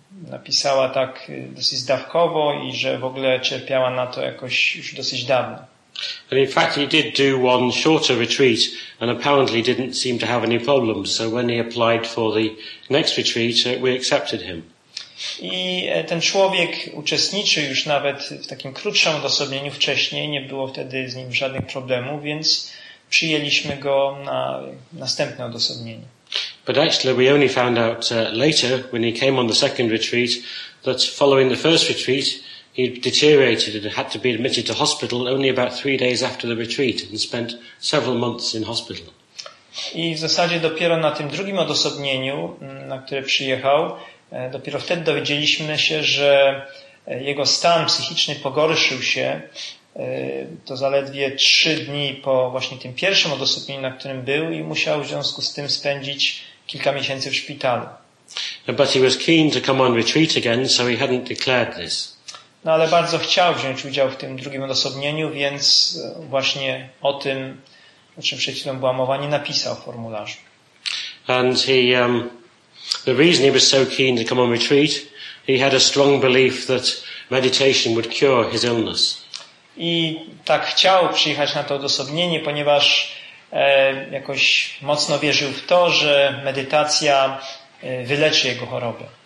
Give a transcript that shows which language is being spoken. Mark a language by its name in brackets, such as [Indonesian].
[Polish] Napisała tak dosyć zdawkowo i że w ogóle cierpiała na to jakoś już dosyć dawno. [English] And in fact he did do one shorter retreat and apparently didn't seem to have any problems, so when he applied for the next retreat we accepted him. [Polish] I ten człowiek uczestniczył już nawet w takim krótszym odosobnieniu wcześniej, nie było wtedy z nim żadnych problemów, więc przyjęliśmy go na następne odosobnienie. [English] But actually we only found out later when he came on the second retreat that following the first retreat he deteriorated and had to be admitted to hospital only about 3 days after the retreat and spent several months in hospital. [Polish] I w zasadzie dopiero na tym drugim odosobnieniu, na które przyjechał, dopiero wtedy dowiedzieliśmy się, że jego stan psychiczny pogorszył się. To zaledwie 3 dni po właśnie tym pierwszym odosobnieniu, na którym był, i musiał w związku z tym spędzić kilka miesięcy w szpitalu. [English] But he was keen to come on retreat again, so he hadn't declared this. [Polish] No ale bardzo chciał wziąć udział w tym drugim odosobnieniu, więc właśnie o tym, o czym przed chwilą była mowa, nie napisał w formularzu. [English] And he, the reason he was so keen to come on retreat, he had a strong belief that meditation would cure his illness. [Polish] I tak chciał przyjechać na to odosobnienie, ponieważ jakoś mocno wierzył w to, że medytacja wyleczy jego chorobę.